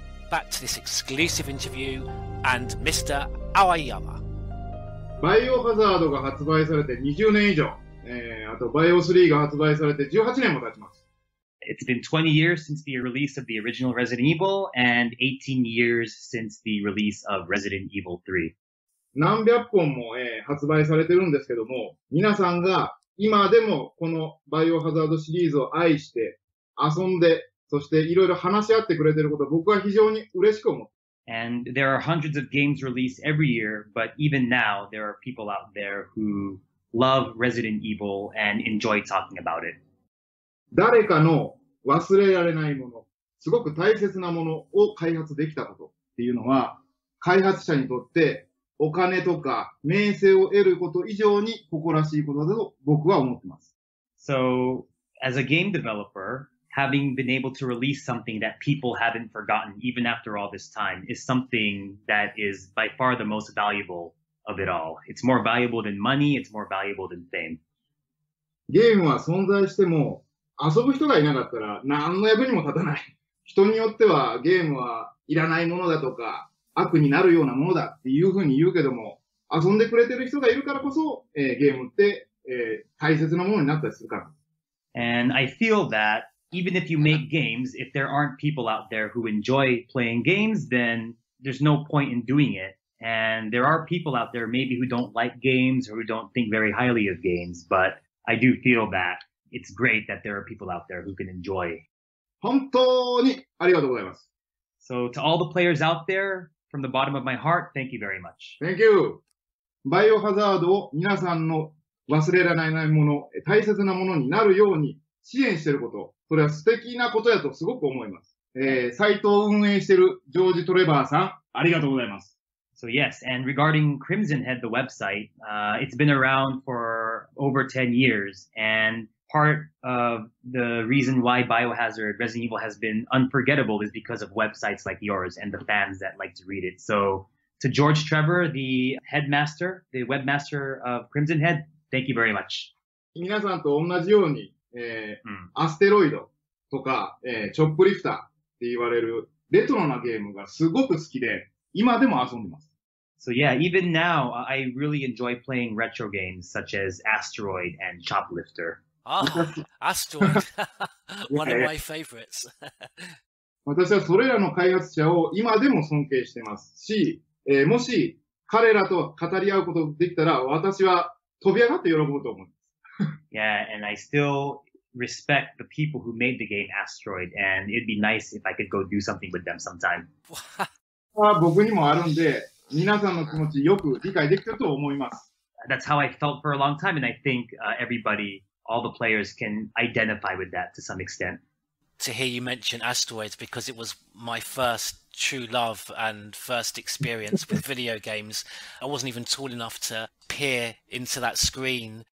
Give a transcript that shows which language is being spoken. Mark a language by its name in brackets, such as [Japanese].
[English] Back to this exclusive interview and Mr. Aoyama. [Japanese] Biohazard が発売されて20年以上、あと Bio3 が発売されて18年も経ちます。 [English] It's been 20 years since the release of the original Resident Evil and 18 years since the release of Resident Evil 3. [Japanese] 何百本も、発売されてるんですけども、皆さんが今でもこのバイオハザードシリーズを愛して、遊んで、そしていろいろ話し合ってくれてること、僕は非常に嬉しく思う。 [English] And there are hundreds of games released every year, but even now, there are people out there who love Resident Evil and enjoy talking about it. [Japanese] 誰かの忘れられないもの、すごく大切なものを開発できたことっていうのは、開発者にとってお金とか名声を得ること以上に誇らしいことだと僕は思ってます。 [English] So, as a game developer, having been able to release something that people haven't forgotten even after all this time is something that is by far the most valuable of it all. It's more valuable than money, it's more valuable than fame. [Japanese] ゲームは存在しても遊ぶ人がいなかったら何の役にも立たない。人によってはゲームはいらないものだとか、悪になるようなものだっていうふうに言うけども、遊んでくれてる人がいるからこそ、ゲームって、大切なものになったりするから。 [English] And I feel that even if you make games, if there aren't people out there who enjoy playing games, then there's no point in doing it. And there are people out there maybe who don't like games or who don't think very highly of games, but I do feel that it's great that there are people out there who can enjoy. [Japanese] 本当にありがとうございます。 [English] So to all the players out there,From the bottom of my heart, thank you very much. Thank you. [Japanese] Biohazard を皆さんの忘れられないもの、大切なものになるように支援していること、それは素敵なことだとすごく思います。サイトを運営しているジョージ・トレバーさん、ありがとうございます。 [English] So yes, and regarding Crimson Head, the website, it's been around for over 10 years, and part of the reason why Biohazard, Resident Evil has been unforgettable is because of websites like yours and the fans that like to read it. So to George Trevor, the headmaster, the webmaster of Crimson Head, thank you very much. [Japanese] 皆さんと同じように、アステロイドとか、チョップリフターって言われるレトロなゲームがすごく好きで、今でも遊んでます。 [English] So yeah, even now, I really enjoy playing retro games such as Asteroid and Choplifter. Oh, Asteroid. One of my favorites. [Japanese] 私はそれらの開発者を今でも尊敬してますし、もし彼らと語り合うことができたら、私は飛び上がって喜ぶと思います。 [English] Yeah, and I still respect the people who made the game Asteroid, and it'd be nice if I could go do something with them sometime. [Japanese] 僕にもあるんで、皆さんの気持ちよく理解できたと思います。 [English] That's how I felt for a long time, and I think everybody, all the players can identify with that to some extent. To hear you mention Asteroids, because it was my first true love and first experience with video games. I wasn't even tall enough to peer into that screen.